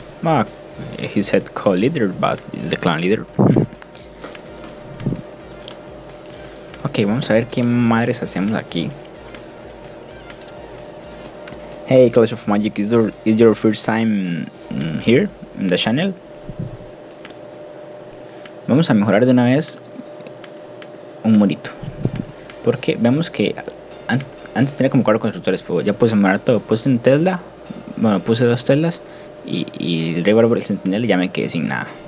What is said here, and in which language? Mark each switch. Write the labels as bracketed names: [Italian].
[English] Well, he said co-leader, but he's the clan leader. [Spanish] Ok, vamos a ver qué madres hacemos aquí. [English] Hey, College of Magic, is your first time here in the channel? [Spanish] Vamos a mejorar de una vez un murito. Porque vemos que antes tenía como cuatro constructores, pero ya puse mejorar todo. Puse un Tesla, bueno, puse dos Teslas y el Rey Bárbaro, el Centinela, ya me quedé sin nada.